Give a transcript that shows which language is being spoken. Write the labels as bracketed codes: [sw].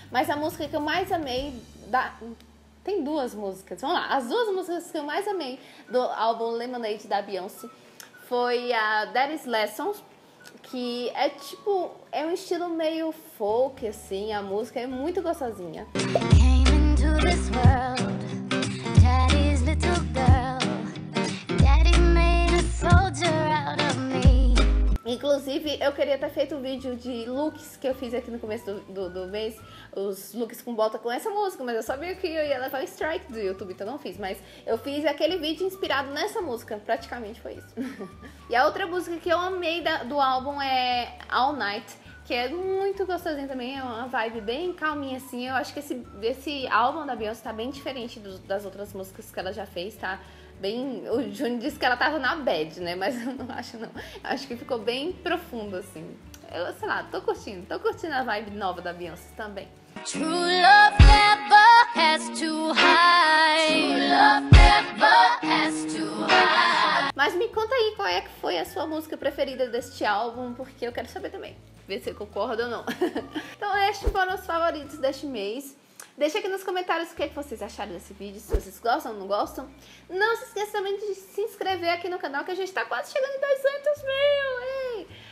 [pt] Mas a música que eu mais amei da... Tem duas músicas, vamos lá. As duas músicas que eu mais amei do álbum Lemonade da Beyoncé foi a That Is Lessons, que é tipo, é um estilo meio folk, assim, a música é muito gostosinha. [en] Came into this world, daddy's little girl, daddy made a soldier out of me. [pt] Inclusive, eu queria ter feito um vídeo de looks que eu fiz aqui no começo do mês, os looks com bota com essa música, mas eu sabia que eu ia levar um strike do YouTube, então não fiz. Mas eu fiz aquele vídeo inspirado nessa música, praticamente foi isso. E a outra música que eu amei do álbum é All Night, que é muito gostosinha também, é uma vibe bem calminha, assim. Eu acho que esse álbum da Beyoncé tá bem diferente das outras músicas que ela já fez, tá? Bem, o Juni disse que ela tava na bad, né? Mas eu não acho, não. Acho que ficou bem profundo, assim. Eu, sei lá, tô curtindo a vibe nova da Beyoncé também. [en] True love never has to hide. True love never has to hide. [pt] Mas me conta aí qual é que foi a sua música preferida deste álbum, porque eu quero saber também. Ver se eu concordo ou não. Então, estes foram os favoritos deste mês. Deixa aqui nos comentários o que vocês acharam desse vídeo, se vocês gostam ou não gostam. Não se esqueça também de se inscrever aqui no canal, que a gente tá quase chegando em 200 mil, hein?